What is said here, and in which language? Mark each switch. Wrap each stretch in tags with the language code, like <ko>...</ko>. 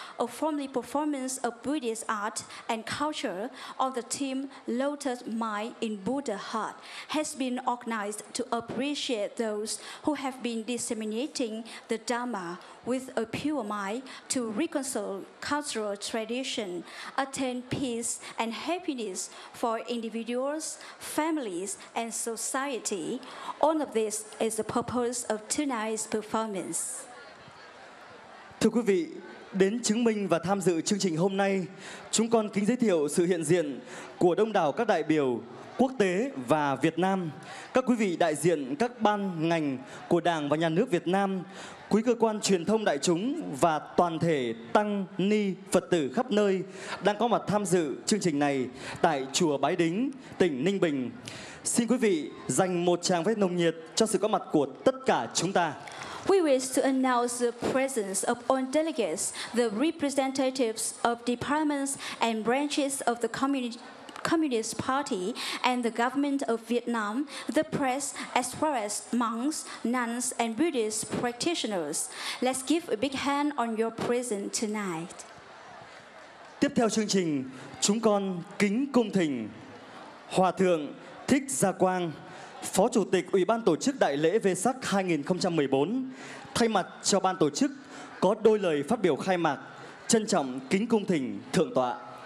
<en>a formal performance of Buddhist art and culture on the theme Lotus Mind in Buddha Heart has been organized to appreciate those who have been disseminating the Dharma with a pure mind to reconcile cultural tradition, attain peace and happiness for individuals, families, and society. All of this is the purpose of tonight's performance.</en> <vi>Thưa quý vị, đến chứng minh và tham dự chương trình hôm nay, chúng con kính giới thiệu sự hiện diện của đông đảo các đại biểu quốc tế và Việt Nam, các quý vị đại diện các ban, ngành của Đảng và Nhà nước Việt Nam, quý cơ quan truyền thông đại chúng và toàn thể tăng, ni, Phật tử khắp nơi đang có mặt tham dự chương trình này tại Chùa Bái Đính, tỉnh Ninh Bình. Xin quý vị dành một tràng vỗ nồng nhiệt cho sự có mặt của tất cả chúng ta.</vi> <en>We wish to announce the presence of all delegates, the representatives of departments and branches of the Communist Party and the government of Vietnam, the press, as well as monks, nuns, and Buddhist practitioners. Let's give a big hand on your presence tonight.</en> <vi>Tiếp theo chương trình, chúng con kính cung thỉnh Hòa Thượng Thích Gia Quang, Phó Chủ tịch Ủy ban Tổ chức Đại lễ Vesak 2014, thay mặt cho Ban Tổ chức có đôi lời phát biểu khai mạc, trân trọng kính cung thỉnh Thượng tọa.</vi>